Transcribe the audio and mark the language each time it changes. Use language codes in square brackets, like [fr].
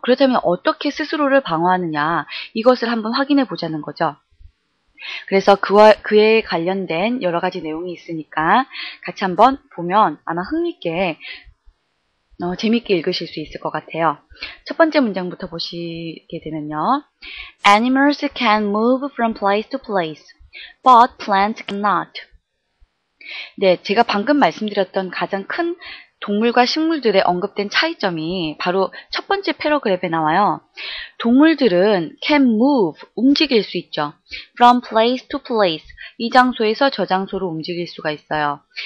[ko] 그렇다면 어떻게 스스로를 방어하느냐 이것을 한번 확인해 보자는 거죠. 그래서 그에 관련된 여러 가지 내용이 있으니까 같이 한번 보면 아마 흥미있게 재밌게 읽으실 수 있을 것 같아요. 첫 번째 문장부터 보시게 되면요. [en] Animals can move from place to place, but plants cannot. [ko] 네, 제가 방금 말씀드렸던 가장 큰 동물과 식물들의 언급된 차이점이 바로 첫 번째 패러그랩에 나와요. 동물들은 [en] can move, [ko] 움직일 수 있죠. [en] From place to place, [ko] 이 장소에서 저 장소로 움직일 수가 있어요.